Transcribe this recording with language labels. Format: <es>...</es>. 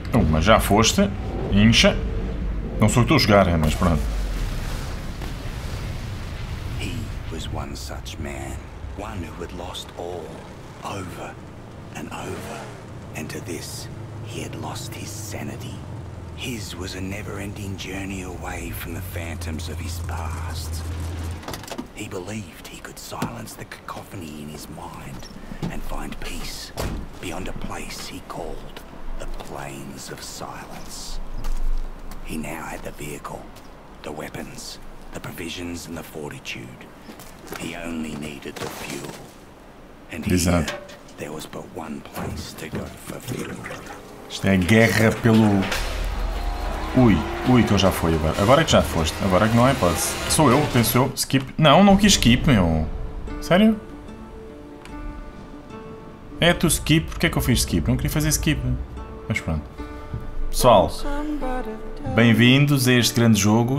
<pt>Mas já foste, incha. Não sou que estou a jogar, mas pronto.</pt> <en>He was one such man, one who had lost all, over and over, and to this he had lost his sanity. His was a never-ending journey away from the phantoms of his past. He believed he could silence the cacophony in his mind and find peace beyond a place he called the Plains of Silence. He now had the vehicle, the weapons, the provisions and the fortitude. He only needed the fuel. And here, there was but one place to go for fuel.</en> <pt>Isto é guerra pelo... Ui, ui, que eu já fui agora. Agora é que já foste, agora é que não é posse. Sou eu, penso eu. Skip. Não, não quis skip, meu. Sério? É tu skip, porque é que eu fiz skip? Não queria fazer skip. Mas pronto. Pessoal, bem-vindos a este grande jogo.</pt>